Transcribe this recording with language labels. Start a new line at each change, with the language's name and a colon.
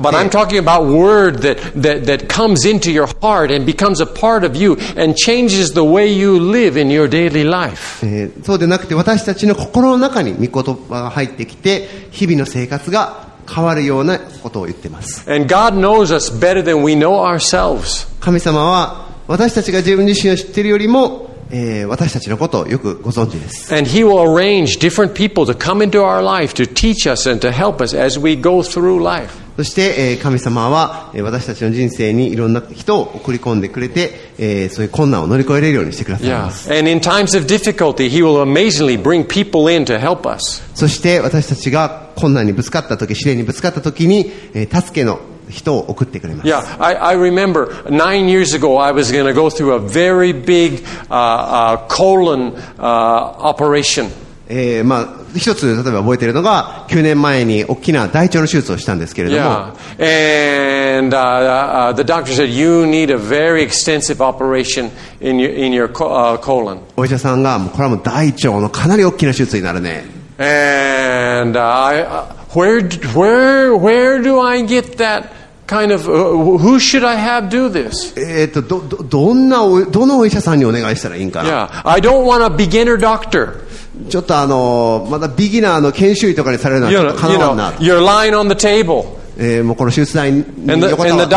English: But I'm talking about word that comes into your heart and becomes a part of you and changes the way you live in your daily life.
Japanese: そうでなくて私たちの心の中に御言葉が入ってきて日々の生活が変わるようなことを言っています。
English: And God knows us better than we know ourselves.
Japanese: 神様は私たちが自分自身を知っているよりも、私たちのことをよくご存知です。
English: And he will arrange different people to come into our life to teach us and to help us as we go through life.
Japanese: そして、神様は、私たちの人生にいろんな人を送り込んでくれて、そういう困難を乗り越えれるようにしてくださいます。
English: Yeah. And in times of difficulty, he will amazingly bring people in to help us.
Japanese: そして私たちが困難にぶつかったとき、試練にぶつかったときに、助けの人を送ってくれます。
English: Yeah, I remember 9 years ago I was going to go through a very big colon operation.
Japanese: まあ、一つ例えば覚えているのが9年前に大きな大腸の手術をしたんですけれども、
English: Yeah, and the doctor said you need a very extensive operation in your colon.
Japanese: お医者さんがこれはもう大腸のかなり大きな手術になるね。
English: And where do I get thatKind of, who should I have do this?
Japanese: どのお医者さんにお願いしたらいいんかな。
English: Yeah, I don't want a beginner doctor.
Japanese: ちょっとまだビギナーの研修医とかにされるのはちょっとかなわんな。
English: You're lying on the table.
Japanese: もうこの手術台に横たわって。